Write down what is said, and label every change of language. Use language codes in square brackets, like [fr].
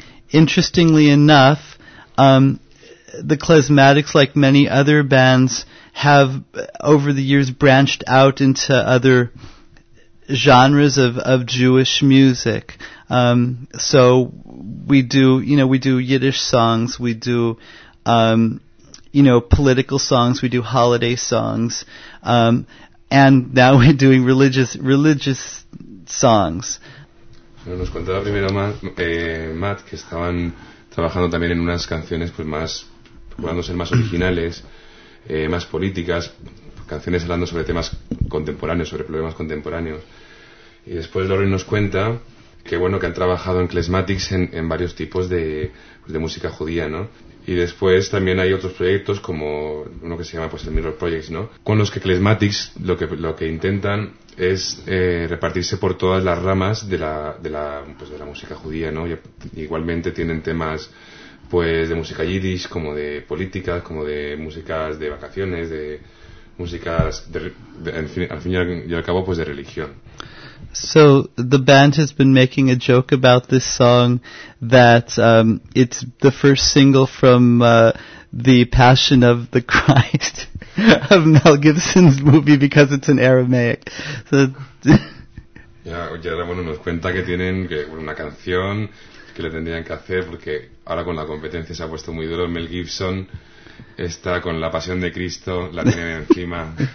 [en] Interestingly enough, the Klezmatics, like many other bands, have over the years branched out into other genres of Jewish music. So we do, you know, we do Yiddish songs, we do, you know, political songs, we do holiday songs, and now we're doing religious songs. [es] Nos contaba primero Matt que estaban trabajando también en unas canciones pues más, procurando ser más originales, más políticas, canciones hablando sobre temas contemporáneos, sobre problemas contemporáneos. Y después Lauren nos cuenta que bueno, que han trabajado en Klezmatics en varios tipos de música judía, ¿no? Y después también hay otros proyectos como uno que se llama pues el [en] Mirror Projects, [es] ¿no? Con los que Klezmatics lo que intentan es repartirse por todas las ramas de la pues de la música judía, ¿no? Y igualmente tienen temas pues de música yiddish, como de política, como de músicas de vacaciones, de músicas al fin y al cabo pues de religión. [en] So the band has been making a joke about this song that it's the first single from The Passion of the Christ of Mel Gibson's movie because it's in Aramaic. So [es] ya bueno, nos cuenta que tienen una canción que le tendrían que hacer porque ahora con la competencia se ha puesto muy duro. Mel Gibson está con La Pasión de Cristo, la tienen encima.